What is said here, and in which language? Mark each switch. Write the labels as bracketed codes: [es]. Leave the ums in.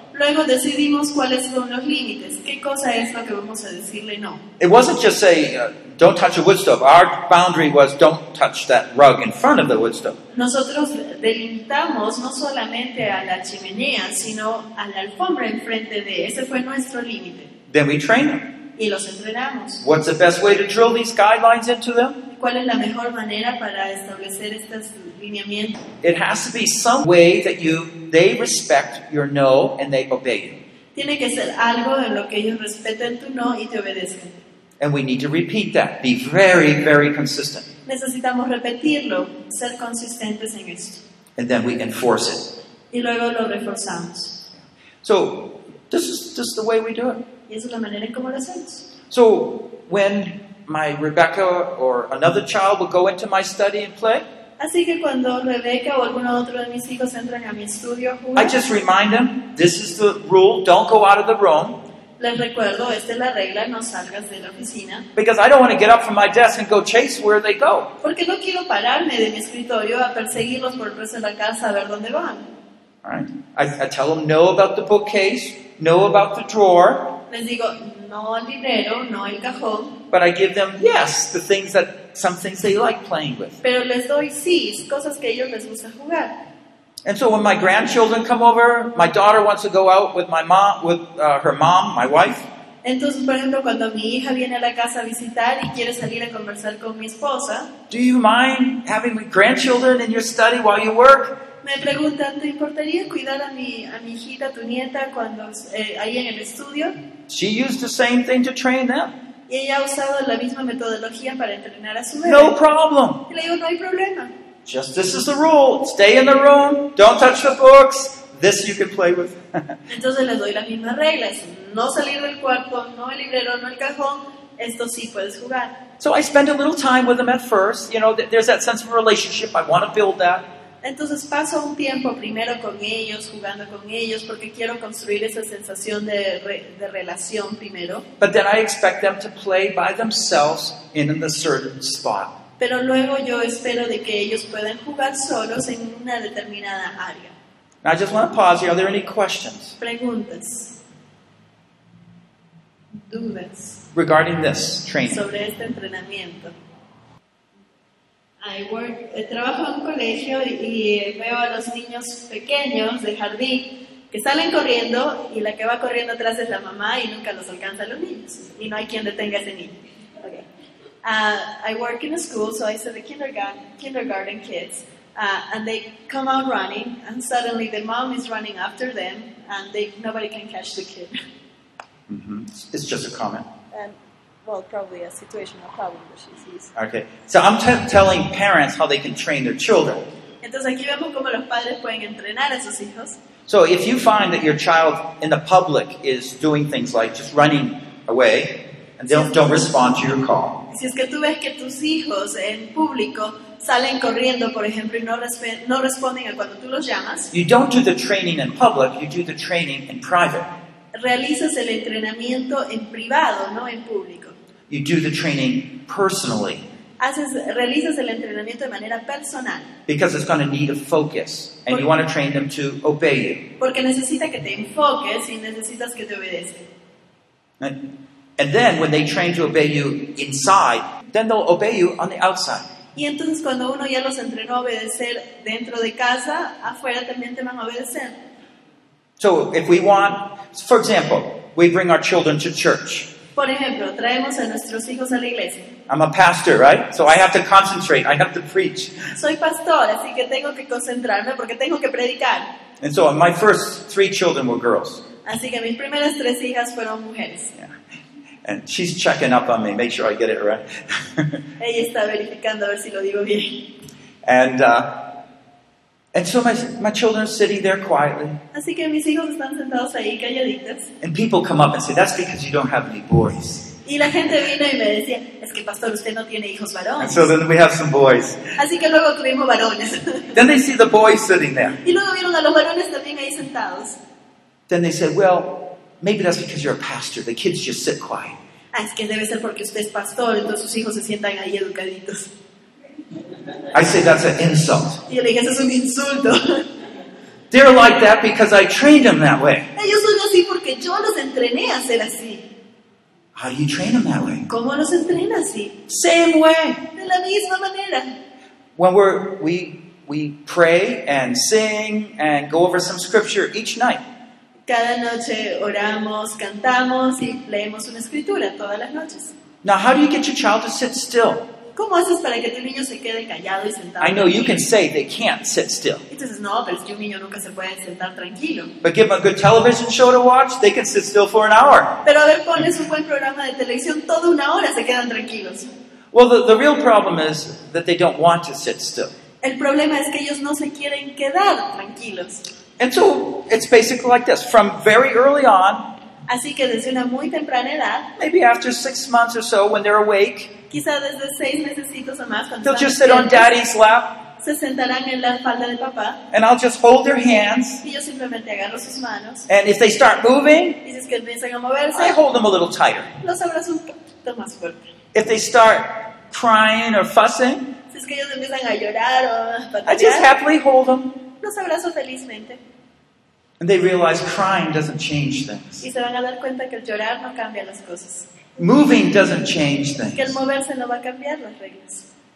[es] Luego decidimos cuáles son los límites, qué cosa es lo que vamos a decirle no. [en] It wasn't just say, uh, don't touch a wood stove. Our boundary was don't touch that rug in front of the wood stove. [es] Nosotros delimitamos no solamente a la chimenea, sino a la alfombra enfrente de, ese fue nuestro límite. [en] Then we train them. [es] Y los entrenamos. [en] What's the best way to drill these guidelines into them? [es] ¿Cuál es la mejor manera para establecer estos lineamientos? [en] It has to be some way that you they respect your no and they obey you. [es] Tiene que ser algo en lo que ellos respeten tu no y te obedezcan. [en] And we need to repeat that. Be very, very consistent. [es] Necesitamos repetirlo, ser consistentes en esto. [en] And then we enforce it. [es] Y luego lo reforzamos. [en] So this is just the way we do it. [es] Y esa es la manera en cómo lo hacemos. [en] So when my Rebecca or another child will go into my study and play, [es] Así que cuando Rebeca o alguno otro de mis hijos entran a mi estudio a jugar, [en] I just remind them this is the rule, don't go out of the room. [es] les recuerdo, esta es la regla, no salgas de la oficina. [en] Because I don't want to get up from my desk and go chase where they go. [es] Porque no quiero pararme de mi escritorio a perseguirlos por el resto de la casa a ver dónde van. [en] All right. I, I tell them no about the bookcase, no about the drawer, [es] Les digo, no el dinero, no el cajón, [en] but I give them yes, the things that some things they like playing with. [es] pero les doy sí, cosas que a ellos les gusta jugar. [en] And so when my grandchildren come over, my daughter wants to go out with my mom, with uh, her mom, my wife. [es] Entonces, por ejemplo, cuando mi hija viene a la casa a visitar y quiere salir a conversar con mi esposa, [en] Do you mind having grandchildren in your study while you work? [es] Me preguntan, ¿te importaría cuidar a mi, a mi hijita, tu nieta, cuando eh, ahí en el estudio? [en] She used the same thing to train them. [es] Y ella ha usado la misma metodología para entrenar a su bebé. [en] No problem. [es] Y le digo, no hay problema. [en] Just this is the rule. Stay in the room. Don't touch the books. This you can play with. [es] Entonces les doy las mismas reglas. No salir del cuarto, no el librero, no el cajón. Esto sí puedes jugar. [en] so I spend a little time with them at first. You know, th- there's that sense of relationship. I want to build that. [es] Entonces paso un tiempo primero con ellos, jugando con ellos, porque quiero construir esa sensación de, re- de relación primero. [en] But then I expect them to play by themselves in a certain spot. [es] Pero luego yo espero de que ellos puedan jugar solos en una determinada área. [en] Now I just want to pause here. Are there any questions [es] Preguntas. Dudas [en] regarding this training? [es] sobre este entrenamiento. [en] I work- [es] eh, trabajo en un colegio y, y, eh, veo a los niños pequeños de jardín que salen corriendo y la que va corriendo atrás es la mamá y nunca los alcanza a los niños. Y no hay quien detenga a ese niño. [en] Okay. Uh, I work in a school, so I see the kindergarten, kindergarten kids, uh, and they come out running, and suddenly the mom is running after them, and they, nobody can catch the kid. hmm It's just a comment. and well, probably a situational problem that she sees. Okay. So I'm t- telling parents how they can train their children. [es] Entonces aquí vemos cómo los padres pueden entrenar a sus hijos. [en] So if you find that your child in the public is doing things like just running away and don't, don't respond to your call, [es] Si es que tú ves que tus hijos en público salen corriendo, por ejemplo, y no, respe- no responden a cuando tú los llamas, [en] you don't do the training in public, you do the training in private. [es] realizas el entrenamiento en privado, no en público. [en] You do the training personally. [es] haces, realizas el entrenamiento de manera personal, [en] because it's going to need a focus, and you want to train them to obey you. [es] porque necesita que te enfoques y necesitas que te obedezcan. [en] And, and then when they train to obey you inside, then they'll obey you on the outside. [es] Y entonces cuando uno ya los entrenó a obedecer dentro de casa, afuera también te van a obedecer. [en] So if we want, for example, we bring our children to church. [es] Por ejemplo, traemos a nuestros hijos a la iglesia. [en] I'm a pastor, right? So I have to concentrate. I have to preach. [es] Soy pastor, así que tengo que concentrarme porque tengo que predicar. [en] And so my first three children were girls. [es] Así que mis primeras tres hijas fueron mujeres. [en] Yeah. And she's checking up on me, make sure I get it right. [es] Ella está verificando a ver si lo digo bien. [en] and uh, and so my my children are sitting there quietly, [es] Así que mis hijos están sentados ahí calladitas. [en] and people come up and say, "That's because you don't have any boys." [es] Y la gente vino y me decía, es que pastor, usted no tiene hijos [en] And [es] varones. [en] so then we have some boys. [es] Así que luego tuvimos varones. [en] Then they see the boys sitting there. [es] y luego vieron a los varones también ahí sentados. [en] Then they say, "Well, maybe that's because you're a pastor. The kids just sit quiet." [es] Ah, es que debe ser porque usted es pastor, entonces sus hijos se sientan ahí educaditos. [en] I say that's an insult. [es] Y yo le dije, eso es un insulto. [en] They're like that because I trained them that way. [es] Ellos son así porque yo los entrené a ser así. [en] How do you train them that way? [es] ¿Cómo los entrena así? [en] Same way. [es] De la misma manera. [en] When we're, we we pray and sing and go over some scripture each night. [es] Cada noche oramos, cantamos y leemos una escritura todas las noches. [en] Now, how do you get your child to sit still? [es] ¿Cómo haces para que tu niño se quede callado y sentado? [en] I know you can say they can't sit still, [es] Entonces, no, pero es que un niño nunca se puede sentar tranquilo. [en] but give them a good television show to watch, they can sit still for an hour. [es] Pero a ver, pones un buen programa de televisión, toda una hora se quedan tranquilos. [en] Well, the, the real problem is that they don't want to sit still. [es] El problema es que ellos no se quieren quedar tranquilos. [en] And so it's basically like this from very early on, [es] Así que desde una muy temprana edad, [en] maybe after six months or so when they're awake, [es] quizá desde seis meses o más, cuando [en] they'll [es] están [en] just sit on [es] despiertos, [en] daddy's lap [es] se sentarán en la falda de papá [en] and I'll just hold their hands. [es] y yo simplemente agarro sus manos [en] And if they start moving, [es] y si es que empiezan a [en] I [es] moverse, [en] hold them a little tighter. [es] los abrazo un poquito más fuerte. [en] If they start crying or fussing, [es] Si es que ellos empiezan a llorar o a [en] I just [es] patalear, [en] happily hold them. [es] los abrazo felizmente [en] And they realize crying doesn't change things. [es] y se van a dar cuenta que el llorar no cambia las cosas, [en] Moving doesn't change [es] que el [en] things. [es] moverse no va a cambiar las reglas.